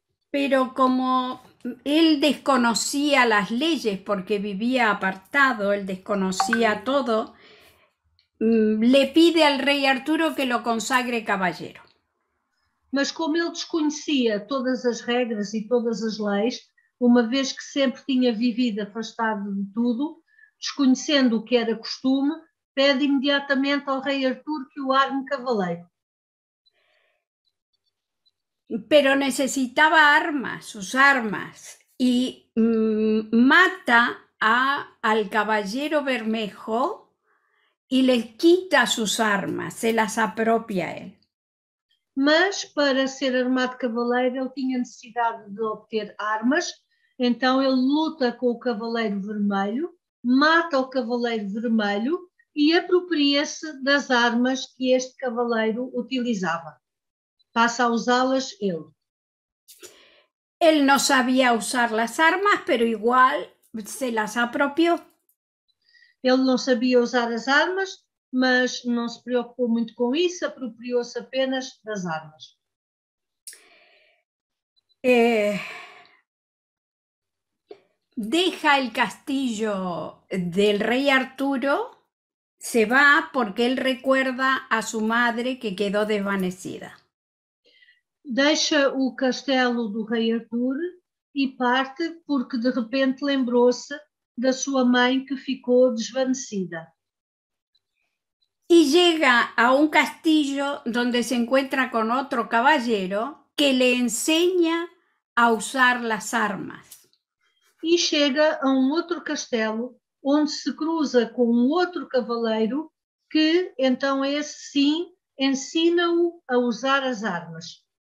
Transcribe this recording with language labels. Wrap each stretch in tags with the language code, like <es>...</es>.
<es>Pero como él desconocía las leyes porque vivía apartado, él desconocía todo, le pide al rey Arturo que lo consagre caballero.</es> <pt>Mas como ele desconhecia todas as regras e todas as leis, uma vez que sempre tinha vivido afastado de tudo, desconhecendo o que era costume, pede imediatamente ao rei Artur que o arme cavaleiro.</pt> <es>Pero necesitaba armas, sus armas, y mata al caballero Bermejo y le quita sus armas, se las apropia a él.</es> <pt>Mas para ser armado cavaleiro ele tinha necessidade de obter armas, então ele luta com o cavaleiro vermelho, mata o cavaleiro vermelho e apropria-se das armas que este cavaleiro utilizava. Passa a usá-las ele. Ele não sabia usar as armas,</pt> <es>pero igual se las</es> <pt>apropiou. Ele não sabia usar as armas, mas não se preocupou muito com isso, apropriou-se apenas das armas.</pt> <es>Deja el castillo del rey Arturo, se va porque él recuerda a su madre que quedó desvanecida. Deja</es> <pt>o castelo do rei Arturo e parte porque de repente lembrou-se da sua mãe que ficou desvanecida.</pt> <es>Y llega a un castillo donde se encuentra con otro caballero que le enseña a usar las armas. Y llega a un otro</es> <pt>castelo</pt> <es>donde se cruza con un otro caballero que, entonces, sí,</es> <pt>ensina-o</pt> <es>a usar las armas.</es>